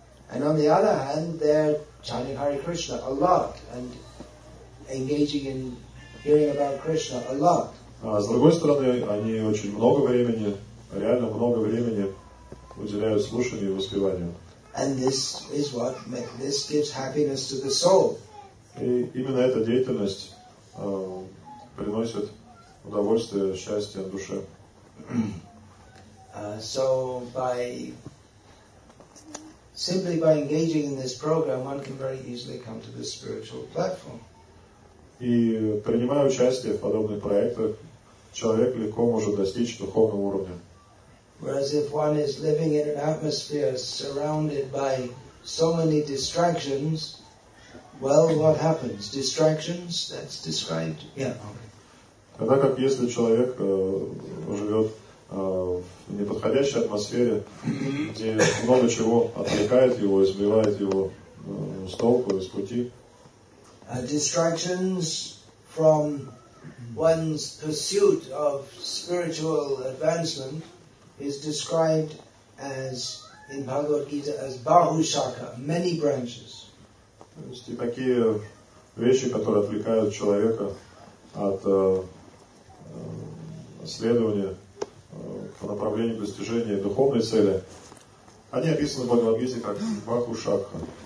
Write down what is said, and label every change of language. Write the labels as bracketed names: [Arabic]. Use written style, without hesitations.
[English] And on the other hand, they're chanting Hare Krishna a lot and engaging in hearing about Krishna a lot. [Russian] А с другой стороны, они очень много времени, реально много времени уделяют слушанию и воспеванию. [English] And this is what this gives happiness to the soul. [Russian] И именно эта деятельность приносит удовольствие, счастье душе. [English] So by simply by engaging in this program, one can very easily come to the spiritual platform. [Russian] И принимая участие в подобных проектах, человек легко может достичь духовного уровня. [English] Whereas if one is living in an atmosphere surrounded by so many distractions, well, what happens? Distractions? That's described. Yeah. [Russian] Тогда как если человек живет в неподходящей атмосфере, где много чего отвлекает его, избивает его с толку, из пути. [English] Distractions from one's pursuit of spiritual advancement is described as in Bhagavad Gita as Bahushaka, many branches. [Russian] То есть и такие вещи, которые отвлекают человека от следования по направлению достижения духовной цели, они описаны в Бхагавад Гите как Бахушакха.